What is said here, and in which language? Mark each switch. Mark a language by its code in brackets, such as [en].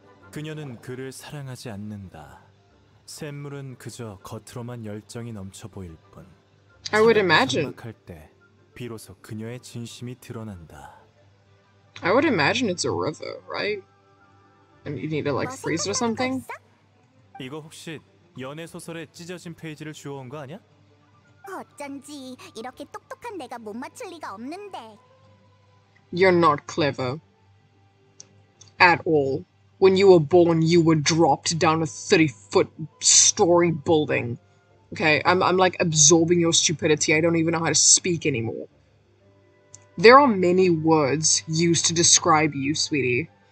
[ko] 그녀는 그를 사랑하지 않는다. 샘물은 그저 겉으로만 열정이 넘쳐 보일 뿐. [en] I would imagine. [ko] 생각할 때 비로소 그녀의 진심이 드러난다. [en] I would imagine it's a river, right? And you need to like freeze it or something? [ko] 이거 혹시 연애 소설의 찢어진 페이지를 주워온 거 아니야? 어쩐지 이렇게 똑똑한 내가 못 맞출 리가 없는데. [en] You're not clever. At all. When you were born, you were dropped down a 30-foot story building. Okay, I'm like absorbing your stupidity. I don't even know how to speak anymore. There are many words used to describe you, sweetie.